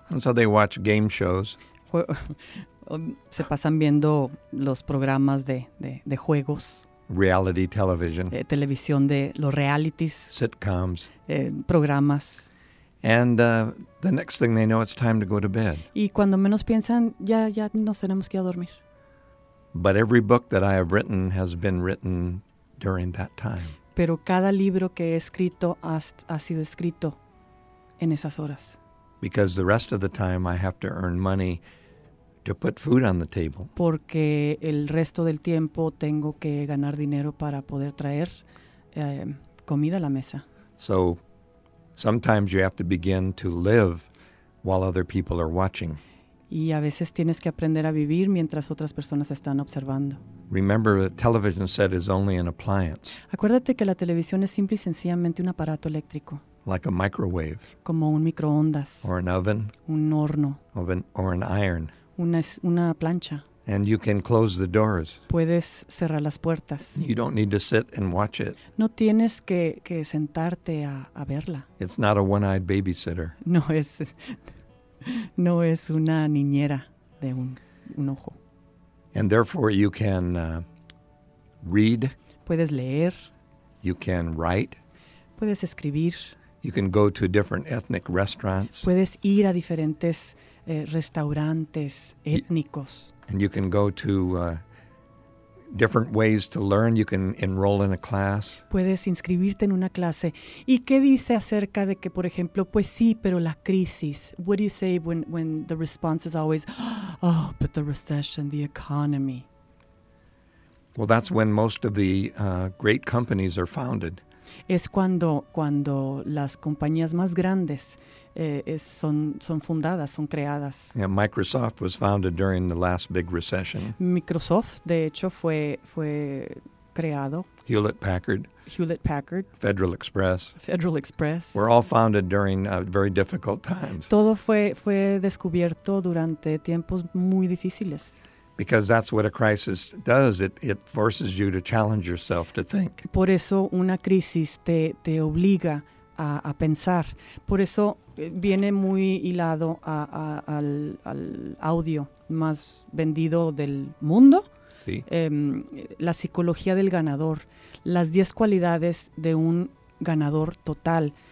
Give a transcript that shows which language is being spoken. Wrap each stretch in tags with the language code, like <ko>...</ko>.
<en>And so they watch game shows.</en> <es>Se pasan viendo los programas de juegos.</es> <en>Reality television.</en> <es>Televisión de los realities.</es> <en>Sitcoms.</en> <es>Programas.</es> <en>And the next thing they know, it's time to go to bed.</en> <es>Y cuando menos piensan, ya nos tenemos que ir a dormir.</es> <en>But every book that I have written has been written during that time.</en> <es>Pero cada libro que he escrito ha sido escrito en esas horas.</es> <en>Because the rest of the time I have to earn money to put food on the table.</en> <es>Porque el resto del tiempo tengo que ganar dinero para poder traer comida a la mesa.</es> <en>So sometimes you have to begin to live while other people are watching.</en> <es>Y a veces tienes que aprender a vivir mientras otras personas están observando.</es> <en>Remember, the television set is only an appliance.</en> <es>Acuérdate que la televisión es simple y sencillamente un aparato eléctrico.</es> <en>Like a microwave.</en> <es>Como un microondas.</es> <en>Or an oven.</en> <es>Un horno.</es> <en>Or an iron.</en> <es>Una plancha.</es> <en>And you can close the doors.</en> <es>Puedes cerrar las puertas.</es> <en>You don't need to sit and watch it.</en> <es>No tienes que sentarte a verla.</es> <en>It's not a one-eyed babysitter.</en> <es>No es una niñera de un ojo.</es> <en>And therefore you can read.</en> <es>Puedes leer.</es> <en>You can write.</en> <es>Puedes escribir.</es> <en>You can go to different ethnic restaurants.</en> <es>Puedes ir a diferentes restaurantes étnicos.</es> <en>And you can go to different ways to learn. You can enroll in a class.</en> <es>Puedes inscribirte en una clase. ¿Y qué dice acerca de que, por ejemplo, pues sí, pero la crisis?</es> <en>What do you say when the response is always, oh, but the recession, the economy? Well, that's when most of the great companies are founded.</en> <es>Es cuando las compañías más grandes son fundadas, son creadas.</es> <en>Yeah, Microsoft was founded during the last big recession.</en> <es>Microsoft, de hecho, fue creado.</es> <en>Hewlett Packard. Federal Express. Were all founded during very difficult times.</en> <es>Todo fue descubierto durante tiempos muy difíciles.</es> <en>Because that's what a crisis does. It forces you to challenge yourself to think.</en> <es>Por eso una crisis te obliga a pensar. Por eso viene muy hilado al audio más vendido del mundo. Sí. La psicología del ganador. Las 10 cualidades de un ganador total.</es>